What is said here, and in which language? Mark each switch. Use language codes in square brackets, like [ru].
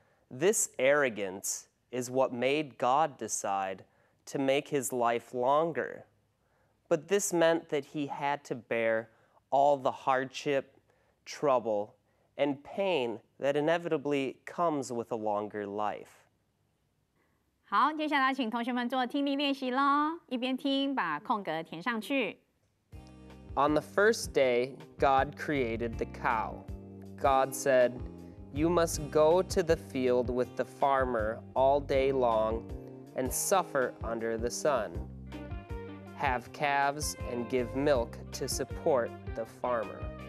[en] This arrogance is what made God decide to make his life longer. But this meant that he had to bear all the hardship, trouble, and pain that inevitably comes with a longer life. [zh] 好，接下来请同学们做听力练习喽，一边听把空格填上去。 [en] On the first day, God created the cow. God said, "You must go to the field with the farmer all day long and suffer under the sun. Have calves and give milk to support the farmer.